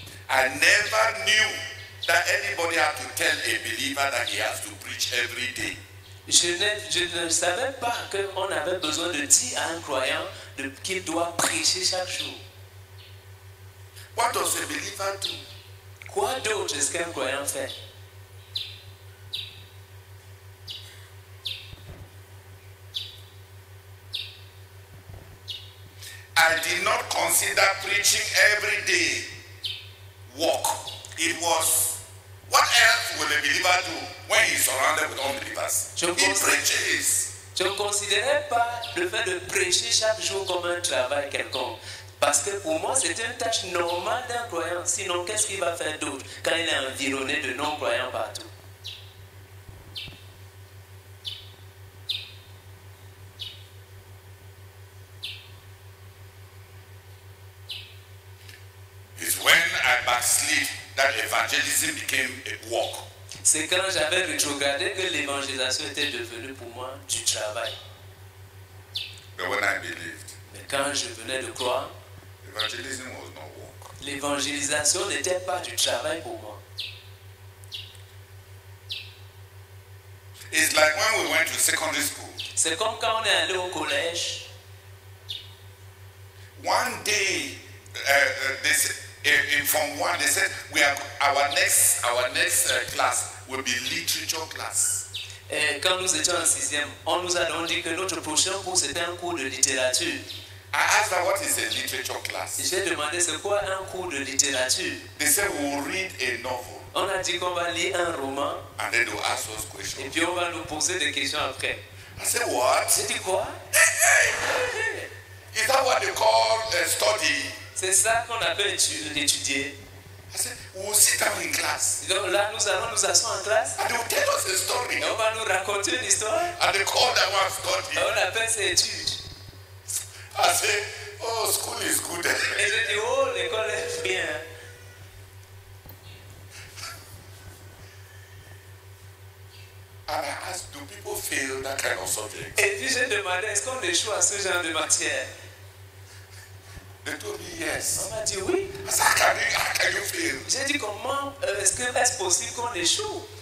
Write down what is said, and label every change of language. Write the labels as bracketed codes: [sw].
[en] I never knew that anybody had to tell a believer that he has to preach every day. [fr] Je ne savais pas qu'on avait besoin de dire à un croyant qu'il doit prêcher chaque jour. [en] What does a believer do? [fr] Quoi d'autre est-ce qu'un croyant fait? [en] I did not consider preaching every day work. It was, what else will a believer do when he's surrounded with unbelievers? He preaches. [fr] Je ne considérais pas le fait de prêcher chaque jour comme un travail quelconque. Parce que pour moi, c'est une tâche normale d'un croyant. Sinon, qu'est-ce qu'il va faire d'autre quand il est environné de non-croyants partout? [en] It's when I backslid that evangelism became a work. [fr] C'est quand j'avais rétrogradé que l'évangélisation était devenue pour moi du travail. [en] But when I believed, [fr] mais quand je venais de croire, [en] evangelism was not work. [fr] L'évangélisation n'était pas du travail pour moi. [en] It's like when we went to secondary school. [fr] C'est comme quand on est allé au collège. [en] One day, they said, in Form 1, they said, we are, our next class will be literature class. [fr] Quand nous étions en sixième, on nous a donc dit que notre prochain cours c'était un cours de littérature. [en] I asked her, what is a literature class? [fr] J'ai demandé c'est quoi un cours de littérature. [en] They said we will read a novel. [fr] On a dit qu'on va lire un roman. [en] And then they will ask us questions. [fr] Et puis on va nous poser des questions après. [en] I said what? [fr] J'ai dit quoi? [en] Hey. Is that what they call a study? [fr] C'est ça qu'on appelle étudier. [en] I said, we'll sit down in class. [fr] Donc là, nous allons nous asseoir en classe. [en] And they will tell us a story. [fr] Et on va nous raconter une histoire. [en] And they call that one study. [fr] Et on appelle ça étude. [en] I said, oh, school is good. [fr] Et je dis, oh, l'école est bien. [en] And I asked, do people fail that kind of subject? [fr] Et puis j'ai demandé, est-ce qu'on échoue à ce genre de matière? [en] They told me yes. [fr] On m'a dit oui. [en] I said, how can you fail? [fr] J'ai dit comment est-ce possible qu'on échoue?